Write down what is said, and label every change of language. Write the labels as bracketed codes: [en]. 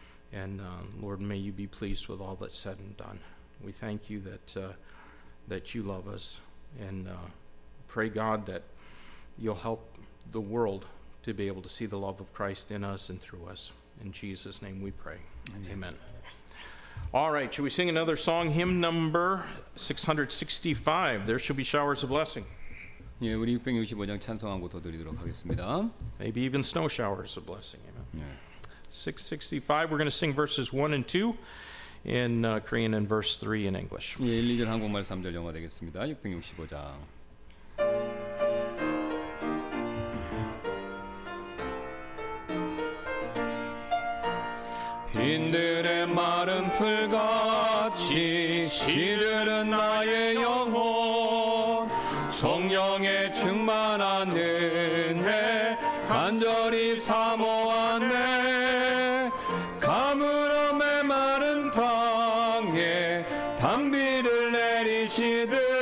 [en] And Lord, may you be pleased with all that's said and done. We thank you that you love us, and pray, God, that you'll help the world to be able to see the love of Christ in us and through us. In Jesus' name we pray. Amen. Amen. All right, should we sing another song? Hymn number 665, There Shall Be Showers of Blessing. [ko] 예, 우리 665장 찬송 한 곡 더 드리도록 하겠습니다. [en] Maybe even snow showers a blessing. Amen. Yeah. 665, we're going to sing verses 1 and 2 in Korean and verse 3 in English. [ko] 예, 1, 2절 한국말 3절 영어 되겠습니다. 665장. 빈들의 마른 풀같이 시르는 나의 영혼 성령의 충만한 은혜 간절히 사모하네 가물엄의 마른 땅에 단비를 내리시듯